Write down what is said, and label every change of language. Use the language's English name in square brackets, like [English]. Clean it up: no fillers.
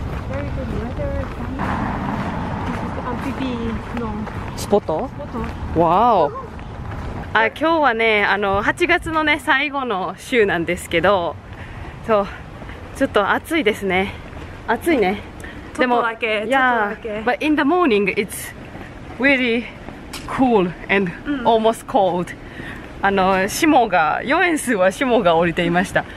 [English] Very good weather. This is the MPP の [Japanese] スポット。Wow. あ、今日はね、あの8月のね最後の週なんですけど、そう。ちょっと暑いですね。暑いね。でも、ちょっとだけ。 [English] But in the morning, it's really cool and almost cold. [Japanese] あの、霜が、ヨエンスは霜が降りていました。